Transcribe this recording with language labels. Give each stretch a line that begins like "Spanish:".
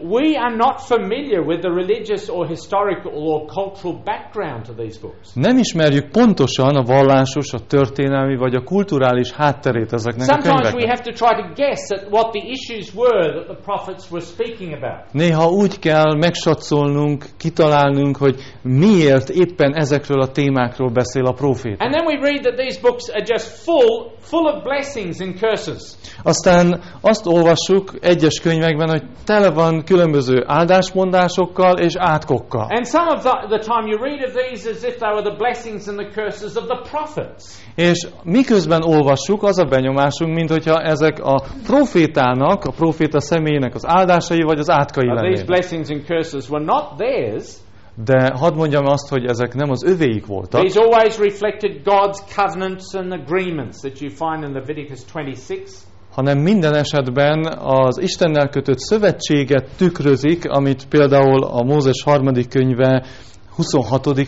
English: We are not familiar with the religious or historical or cultural background to these books.
Hungarian: Nem ismerjük pontosan a vallásos, a történelmi vagy a kulturális hátterét ezeknek
English: sometimes
Hungarian: a könyveknek.
English: Sometimes we have to try to guess at what the issues were that the prophets were speaking about.
Hungarian: Néha úgy kell megsatszolnunk, kitalálnunk, hogy miért éppen ezekről a témákról beszél a próféta.
English: And then we read that these books are just full of blessings and curses.
Hungarian: Aztán azt olvassuk egyes könyvekben, hogy tele van különböző áldásmondásokkal és átkokkal.
English: And some of the time you read of these as if they were the blessings and the curses of the prophets.
Hungarian: És miközben olvassuk, az a benyomásunk, mint hogyha ezek a prófétának, a próféta személyének az áldásai vagy az átkai lennének.
English: These blessings and curses were not theirs.
Hungarian: De hadd mondjam azt, hogy ezek nem az övéik voltak.
English: These always reflected God's covenants and agreements that you find in Leviticus 26.
Hungarian: Hanem minden esetben az Istennel kötött szövetséget tükrözik, amit például a Mózes harmadik könyve 26.